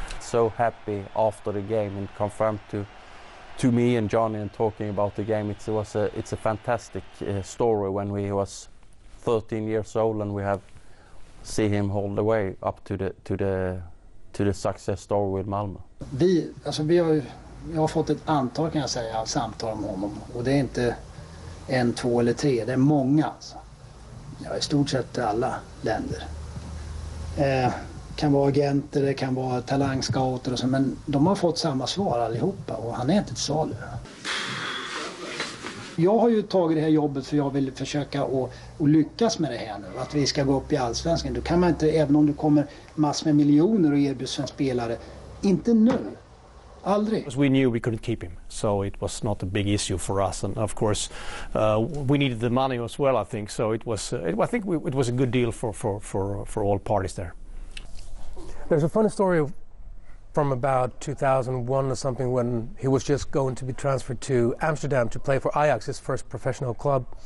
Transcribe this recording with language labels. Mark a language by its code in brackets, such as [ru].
[en] So happy after the game and confirmed to me and Johnny and talking about the game. It's a fantastic story when he was 13 years old and we have seen him all the way up to the success story with Malmö. [sv] Jag har fått ett antal, kan jag säga, samtal om honom, och det är inte en, två eller tre, det är många, alltså. Ja, i stort sett alla länder. Kan vara agenter, det kan vara talangscouter och så, men de har fått samma svar allihopa, och han är inte till salu. Jag har ju tagit det här jobbet för jag vill försöka och lyckas med det här nu, att vi ska gå upp i Allsvenskan. Då kan man inte, även om du kommer massor med miljoner och erbjuds en spelare, inte nu. Aldrig. [en] Because we knew we couldn't keep him, so it was not a big issue for us. And of course, we needed the money as well, I think. So it was a good deal for all parties there. There's a funny story from about 2001 or something, when he was just going to be transferred to Amsterdam to play for Ajax, his first professional club.